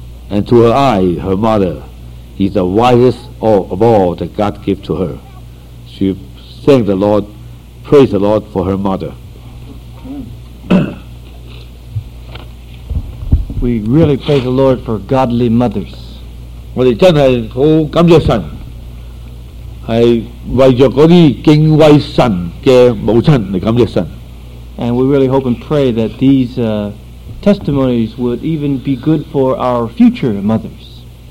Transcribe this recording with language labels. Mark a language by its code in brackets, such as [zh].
[en] And to her eye, her mother is the wisest of all that God gave to her. She thanked the Lord, praised the Lord for her mother. We really praise the Lord for godly mothers. [zh] 我们真的很感谢神，是为着那些敬畏神的母亲来感谢神。 [en] And we really hope and pray that these testimonies would even be good for our future mothers.